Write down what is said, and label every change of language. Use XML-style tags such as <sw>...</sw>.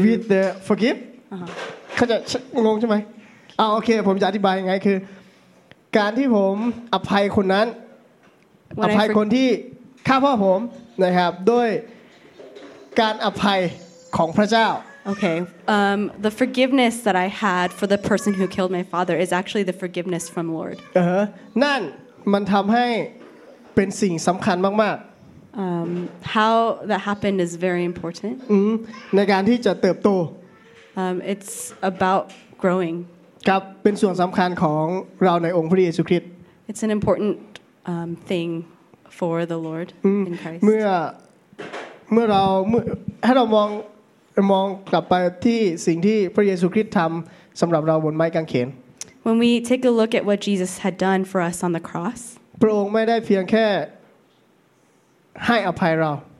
<en>with the forgive</en> <th>เขาจะงงใช่ไหมโอเคผมจะอธิบายยังไงคือการที่ผมอภัยคนนั้นอภัยคนที่ฆ่าพ่อผมนะครับด้วยการอภัยของพระเจ้า</th> <en>Okay. The forgiveness that I had for the person who killed my father is actually the forgiveness from Lord.</en> <th>นั่นมันทำให้เป็นสิ่งสำคัญมากๆ</th> <en>How that happened is very important.</en> <th>ในการที่จะเติบโต</th> <en>It's about growing.</en> <th>ครับเป็นส่วนสำคัญของเราในองค์พระเยซูคริสต์</th> <en>It's an important thing for the Lord in Christ.</en> <th>เมื่อให้เรามองกลับไปที่สิ่งที่พระเยซูคริสต์ทำสำหรับเราบนไม้กางเขน</th> <en>When we take a look at what Jesus had done for us on the cross</en> <th>พระองค์ไม่ได้เพียงแค่ให้อภัยเรา</th>